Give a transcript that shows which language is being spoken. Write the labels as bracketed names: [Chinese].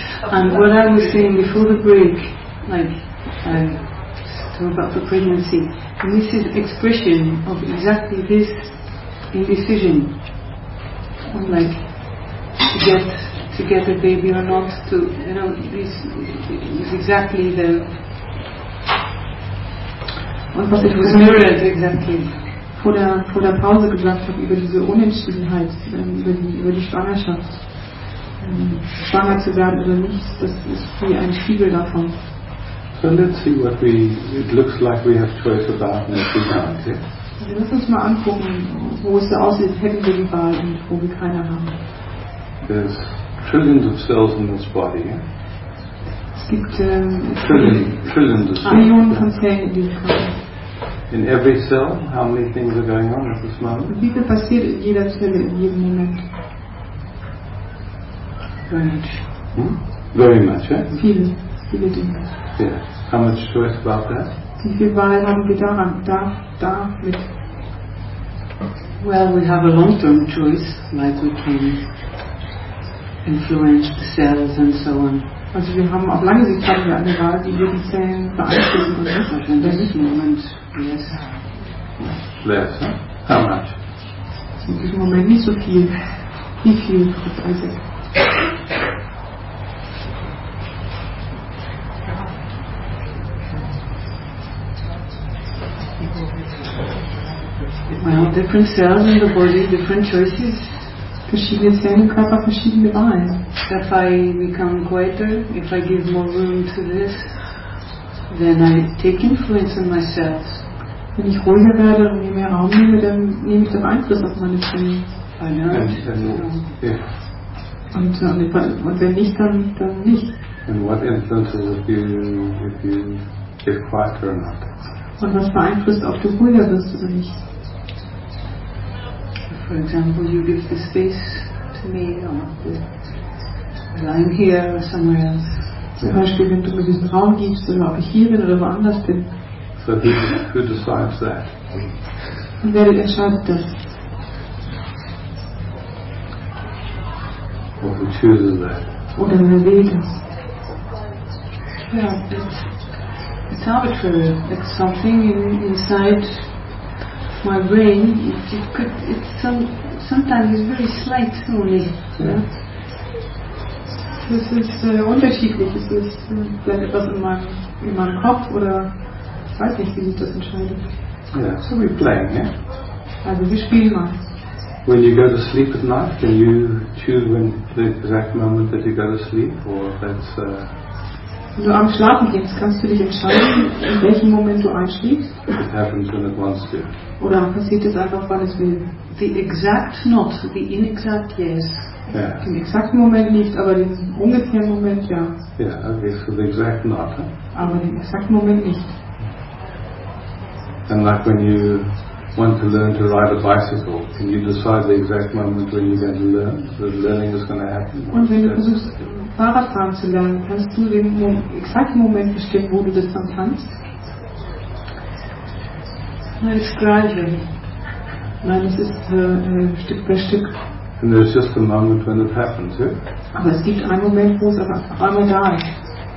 [English] And what I was saying before the break, talking about the pregnancy, and this is expression of exactly this. Indecision, like to get a baby or not, to, you know, this is exactly the. [German] Und was ich [English] was mirrored exactly. [German] Vor der Pause gesagt habe über diese Unentschiedenheit, über die Schwangerschaft, schwanger zu werden oder nicht, das ist wie ein Spiegel davon. [English] So let's see what we. It looks like we have choice about and if we don't. Yeah? [German] Lass uns mal angucken, wo es so aussieht, hätten wir die Wahl und wo wir keine haben. [English] There's trillions of cells in this body. Yeah? [German] Es gibt [English] trillions of [German] cells. Millionen von Zellen in diesem Körper. [English] In every cell, how many things are going on at this moment? [German] Wie viel passiert in jeder Zelle in jedem Moment? [English] Very much. Very much, yeah? [German] Viele, viele Dinge. [English] Yeah. How much choice about that? [German] Wie viel Wahl haben wir daran? Da mit. [English] Well, we have a long-term choice, like we can influence the cells and so on. [German] Also wir haben auf lange Sicht haben wir eine Wahl, die wir die Zellen beeinflussen und das ist in diesem Moment [English] less. Less, huh? How much? [German] In diesem Moment nicht so viel. Wie viel, Frau Freise? [English] Well, different cells in the body, different choices. [German] Verschiedene Zellen im Körper, verschiedene Wahlen. [English] So if I become greater, if I give more room to this, then I take influence on my cells. [German] Wenn ich ruhiger werde und mir mehr Raum nehme, dann nehme ich doch Einfluss auf meine Zellen. [English] I know. [German] Und wenn nicht, dann nicht. [English] And what influences if you get quieter or not? [German] Und was beeinflusst, ob du ruhiger bist oder nicht? [English] For example, you give the space to me, or the line here, or somewhere else. [German] Zum Beispiel, wenn du mir diesen Raum gibst, oder ob ich hier bin oder woanders bin. [English] So who decides that? [German] Und wer entscheidet das? [English] Or who chooses that? [German] Oder wer wählt das? [English] Ja, it's arbitrary. It's something inside my brain, sometimes it's very slight only. [German] Yeah. Das ist unterschiedlich. Ist es vielleicht etwas in meinem Kopf oder ich weiß nicht, wie sich das entscheidet. [English] Yeah. So we're playing, yeah? [German] Also wir spielen mal. [English] When you go to sleep at night, can you choose when the exact moment that you go to sleep or that's [German] Wenn du am Schlafen gehst, kannst du dich entscheiden, in welchem Moment du einschläfst. [English] It happens when it wants to. [German] Oder passiert es einfach, wann es will. [English] The exact not, the inexact yes. Yeah. [German] Den exakten Moment nicht, aber den ungefähren Moment ja. [English] Yeah, okay, so the exact not. Huh? [German] Aber den exakten Moment nicht. [English] And like when you want to learn to ride a bicycle, can you decide the exact moment when you're going to learn? The learning is going to happen. [German] Und wenn du versuchst, Fahrradfahren zu lernen, kannst du den exakten Moment bestimmen, wo du das dann kannst? Nein, es ist Stück für Stück. [English] And there's just a moment when it happens, yeah? [German] Aber es gibt einen Moment, wo es einmal da ist.